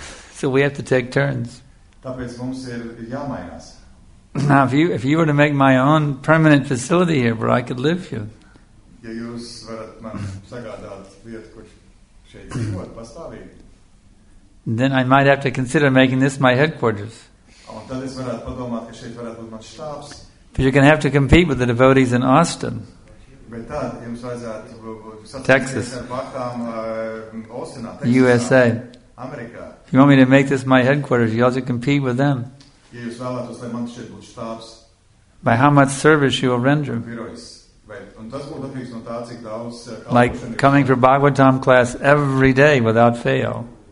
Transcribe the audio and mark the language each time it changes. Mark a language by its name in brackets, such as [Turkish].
[English] So we have to take turns. Now if you were to make my own permanent facility here where I could live here. [Latvian] Ja jūs varat man sagādāt vietu, kur šeit dzīvot, pastāvīt. [English] Then I might have to consider making this my headquarters. [Latvian] Un tad es varētu padomāt, ka šeit varētu būt mans štābs. [English] But you're going to have to compete with the devotees in Austin. [Latvian] Bet tad jums vajadzētu [English] Texas. [Latvian] Ar baktām, Austinā, Texas. [English] USA. [Latvian] Amerikā. [English] If you want me to make this my headquarters, you have to compete with them. [Latvian] Ja jūs vēlētos, lai man šeit būtu štābs. [English] By how much service you will render. Like coming for Bhagavatam class every day without fail.